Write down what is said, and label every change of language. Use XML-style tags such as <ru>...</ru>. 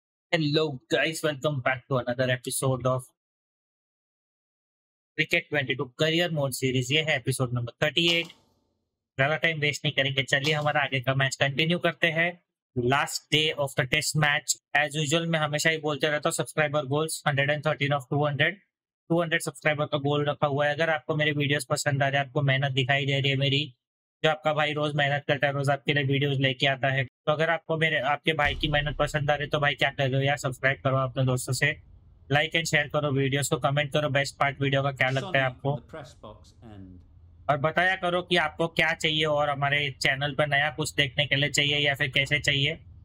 <en>Hello guys, welcome back to another episode of Cricket 22 Career Mode Series.</en> <hi>ये है</hi> <en>episode number 38.</en> <hi>ज़्यादा time waste नहीं करेंगे, चलिए हमारा आगे का match continue करते हैं.</hi> <en>Last day of the test match. As usual,</en> <hi>मैं हमेशा ही बोलते रहता हूँ</hi> <en>subscriber goals 113 of 200.</en> <hi>200 subscriber का goal रखा हुआ है. अगर आपको मेरे videos पसंद आ रहे हैं, आपको मेहनत दिखाई दे रही है मेरी, जो आपका भाई रोज मेहनत करता है, रोज आपके लिए वीडियोस लेके आता है, तो अगर आपको मेरे आपके भाई की मेहनत पसंद आ रही तो भाई क्या कर रहे हो यार, सब्सक्राइब करो अपने दोस्तों से,</hi> <en>like and share करो</en> <hi>वीडियोस को, कमेंट करो बेस्ट पार्ट वीडियो का क्या लगता है आपको, और बताया करो कि आपको क्या चाहिए और हमारे चैनल पर नया कुछ देखने के लिए चाहिए या फिर कैसे चाहिए.</hi>